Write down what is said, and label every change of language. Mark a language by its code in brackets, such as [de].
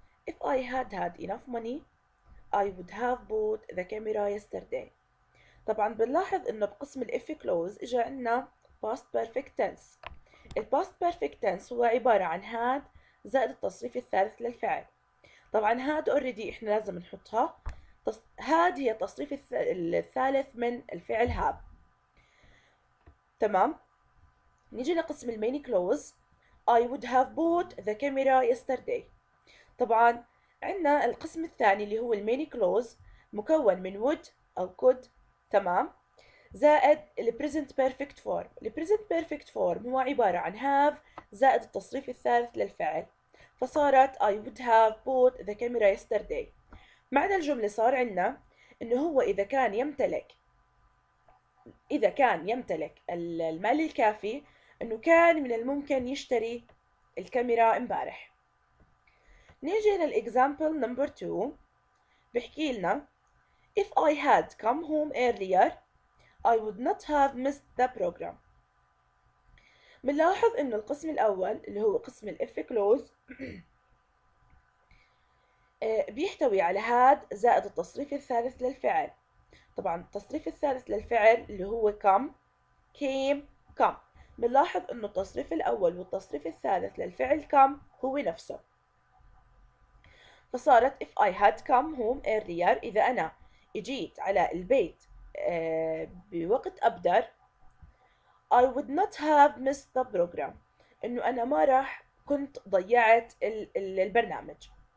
[en] if I had had enough money I would have bought the camera yesterday. [ar] طبعا بنلاحظ انه بقسم الاف كلوز اجى عندنا past perfect tense. الباست perfect tense هو عباره عن had زائد التصريف الثالث للفعل. طبعا had already احنا لازم نحطها، had هي التصريف الثالث من الفعل have. تمام نيجي لقسم المين كلوز. [en] I would have bought the camera yesterday. [ar] طبعا عندنا القسم الثاني اللي هو المين كلوز مكون من would او could، تمام، زائد البريزنت بيرفكت فورم. البريزنت بيرفكت فورم هو عبارة عن have زائد التصريف الثالث للفعل، فصارت [en] I would have bought the camera yesterday. [ar] معنى الجملة صار عندنا انه هو اذا كان يمتلك المال الكافي انه كان من الممكن يشتري الكاميرا امبارح. نيجي للاكزامبل نمبر 2. بحكي لنا [en] if I had come home earlier I would not have missed the program. [ar] بنلاحظ انه القسم الاول اللي هو قسم الاف كلوز بيحتوي على had زائد التصريف الثالث للفعل. طبعا التصريف الثالث للفعل اللي هو come came come. بنلاحظ انه التصريف الاول والتصريف الثالث للفعل come هو نفسه، فصارت [en] if I had come home earlier [ar] اذا انا اجيت على البيت بوقت ابدر [en] I would not have missed the program، [ar] انه انا ما راح كنت ضيعت البرنامج.